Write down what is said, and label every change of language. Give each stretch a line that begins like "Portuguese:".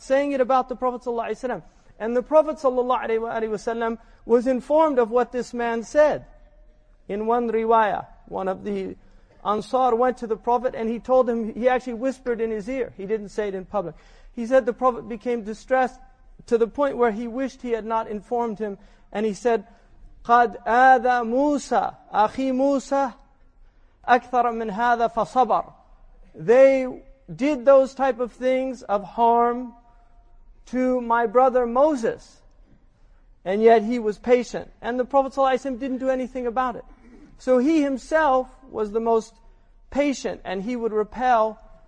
English: Saying it about the Prophet ﷺ. And the Prophet ﷺ was informed of what this man said. In one riwayah, one of the Ansar went to the Prophet and he told him, he actually whispered in his ear. He didn't say it in public. He said the Prophet became distressed to the point where he wished he had not informed him. And he said,
Arabic: قَدْ آذَى مُوسَى أَخِي مُوسَى أَكْثَرَ مِنْ هَذَا فَصَبَرْ.
English: They did those type of things of harm to my brother Moses. And yet he was patient. And the Prophet ﷺ didn't do anything about it. So he himself was the most patient and he would repel